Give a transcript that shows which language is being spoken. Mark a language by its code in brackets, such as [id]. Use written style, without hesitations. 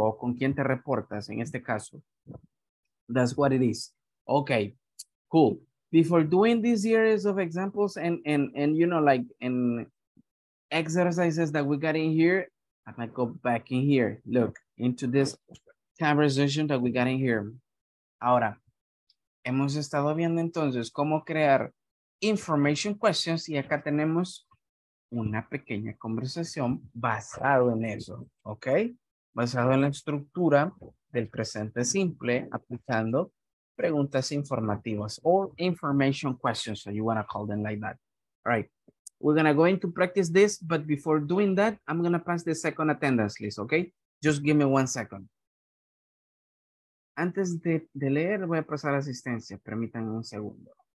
[es] O con quién te reportas en este caso. [en] That's what it is. Okay, cool. Before doing this series of examples and you know, like in exercises that we got in here, I'm gonna go back in here. Look, into this conversation that we got in here. [es] Ahora, hemos estado viendo entonces cómo crear information questions y acá tenemos una pequeña conversación basado en eso, ¿ok? Basado en la estructura del presente simple aplicando preguntas informativas [en] or information questions, so you want to call them like that. All right, we're going to go into practice this, but before doing that, I'm going to pass the second attendance list, ¿ok? Just give me one second. [es] Antes de leer, voy a pasar asistencia, permítanme un segundo.